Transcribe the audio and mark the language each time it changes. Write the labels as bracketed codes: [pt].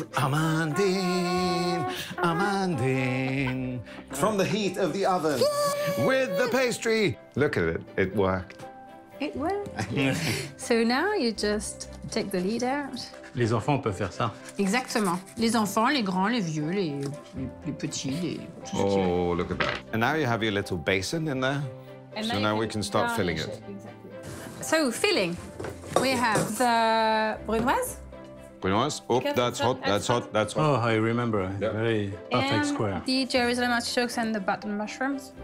[en] Amandine, Amandine, from the heat of the oven, with the pastry. Look at it, it worked. It worked. So now you just take the lid out. [fr] Les enfants peuvent faire ça. Exactement. Les enfants, les grands, les vieux, les petits, les... [en] Oh, look at that. And now you have your little basin in there. And so now we can start filling it. Exactly. So, filling. We have the brunoise. Brunoise. Oh, because that's hot, that's hot, that's hot. Oh, I remember. Yeah. Very perfect and square. The Jerusalem artichokes and the button mushrooms.